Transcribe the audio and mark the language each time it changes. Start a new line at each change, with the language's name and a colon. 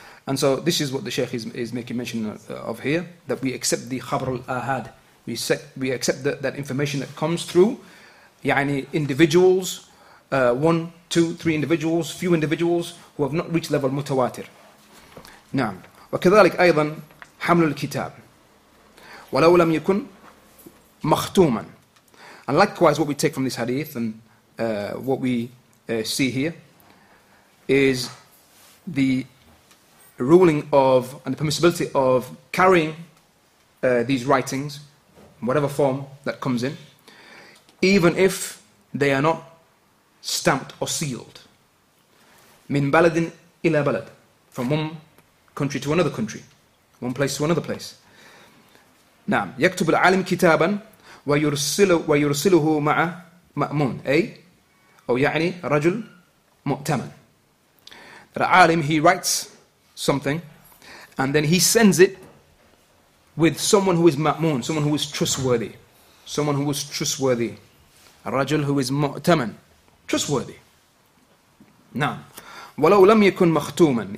English: And so this is what the Shaykh is making mention of here, that we accept the khabr al-ahad. We accept that information that comes through, يعني individuals, one, two, three individuals, few individuals who have not reached level mutawatir.
Arabic: Naam. وكذلك أيضا حمل الكتاب ولو لم يكن مختوما.
English: And likewise, what we take from this hadith and what we see here is the ruling of and the permissibility of carrying these writings, whatever form that comes in, even if they are not stamped or sealed.
Arabic: من بلد إلى بلد,
English: from one country to another country, one place to another place.
Arabic: نعم يكتب العالم كتابا ويرسله مع مأمون أي أو يعني رجل مؤتمن.
English: The alim, he writes something and then he sends it with someone who is ma'moon, someone who is trustworthy. Someone who is trustworthy. A rajul who is mu'taman. Trustworthy. Naam.
Arabic: Walaw lam yakun makhtuman.